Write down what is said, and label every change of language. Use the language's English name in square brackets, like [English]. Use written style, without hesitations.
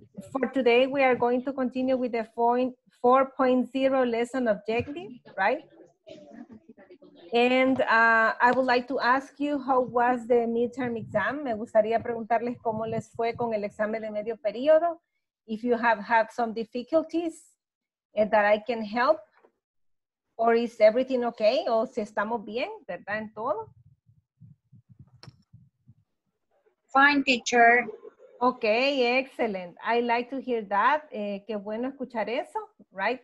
[English] For today, we are going to continue with the 4.0 lesson objective, right? And I would like to ask you, how was the midterm exam? [Spanish] Me gustaría preguntarles cómo les fue con el examen de medio periodo. [English] If you have had some difficulties that I can help. Or is everything okay? [Spanish] O si estamos bien, ¿verdad? En todo. [English] Fine, teacher. Okay, excellent. I like to hear that. [Spanish] Qué bueno escuchar eso, [English] right?